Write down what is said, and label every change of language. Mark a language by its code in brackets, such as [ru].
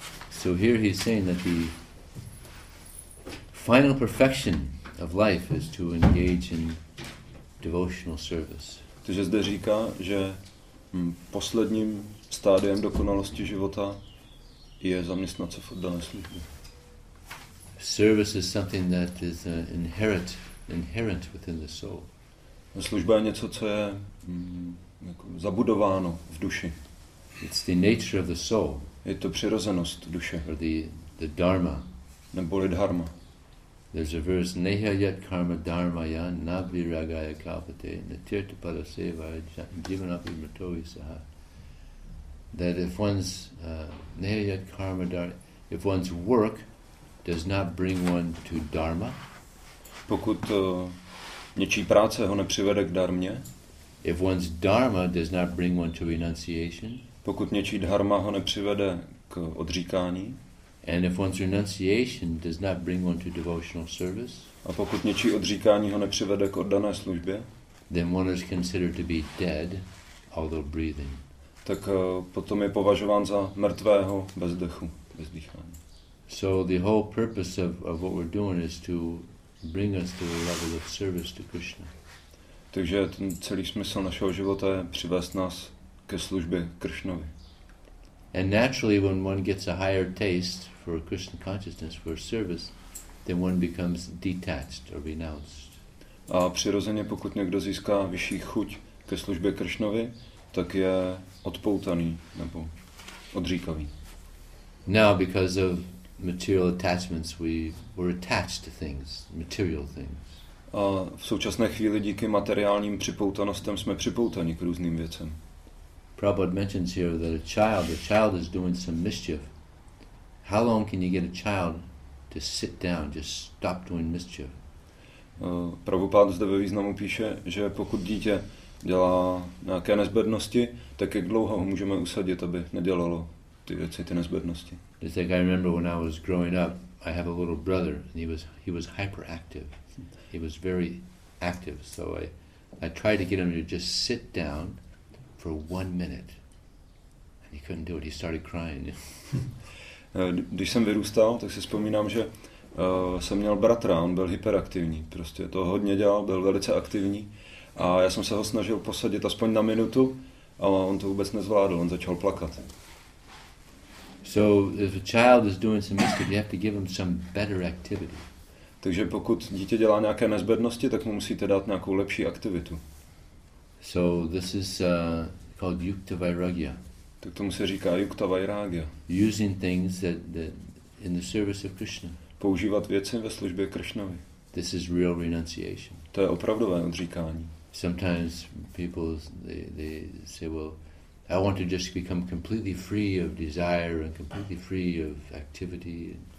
[en] So here he's saying that the final perfection of life is to engage in devotional service. [cs] Takže zde říká, že posledním stádiem dokonalosti života je zaměstnat se v oddané službě. [en] Service is something that is inherent within the soul. [cs] Služba je něco, co je jako zabudováno v duši. [en] It's the nature of the soul. [cs] Je to přirozenost duše. [en] Or the dharma. [cs] Neboli dharma. [en] There's a verse, [sa] neha yat karma dharmaya nabhiragaya kalpate natirta paraseva jivanapi mrtovi saha. [en] That if one's [sa] neha yat karma dharmaya, [en] if one's work does not bring one to dharma, [cs] pokud něčí práce ho nepřivede k dharmě, [en] if one's dharma does not bring one to renunciation, [cs] pokud něčí dharma ho nepřivede k odříkání, [en] and if one's renunciation does not bring one to devotional service, [cs] a pokud něčí odříkání ho nepřivede k oddané službě, [en] then one is considered to be dead, although breathing. [cs] Tak potom je považován za mrtvého bez dechu, bez dýchání. [en] So the whole purpose of what we're doing is to bring us to the level of service to Krishna. [cs] Takže ten celý smysl našeho života je přivést nás ke službě Kršnovi. [en] And naturally, when one gets a higher taste for Krishna consciousness, for service, then one becomes detached or renounced. [cs] A přirozeně, pokud někdo získá vyšší chuť ke službě Kršnovi, tak je odpoutaný nebo odříkavý. [en] Now, because of material attachments, we were attached to things, material things. [cs] A v současné chvíli díky materiálním připoutanostem jsme připoutaní k různým věcem. [en] Prabhupada mentions here that a child is doing some mischief. How long can you get a child to sit down, just stop doing mischief? [cs] Prabhupada zde ve významu píše, že pokud dítě dělá nějaké nezbednosti, tak jak dlouho ho můžeme usadit, aby nedělalo ty věci, ty nezbednosti. [en] It's like I remember when I was growing up, I have a little brother, and he was hyperactive. He was very active, so I tried to get him to just sit down for 1 minute, and he couldn't do it. He started crying. [cs] Když jsem vyrůstal, tak si vzpomínám, že jsem měl bratra, on byl hyperaktivní, prostě to hodně dělal, byl velice aktivní, a já jsem se ho snažil posadit aspoň na minutu, ale on to vůbec nezvládl, on začal plakat. [en] So if a child is doing some mischief, you have to give him some better activity. [cs] Takže pokud dítě dělá nějaké nezbednosti, tak mu musíte dát nějakou lepší aktivitu. [en] So this is called yukta vairagya. [cs] Tak tomu se říká yukta vairagya. [en] Using things that in the service of Krishna. [cs] Používat věci ve službě Krishnovi. [en] This is real renunciation. [cs] To je opravdové odříkání. [en] Sometimes people they say, well, I want to just become completely free of desire and completely free of activity.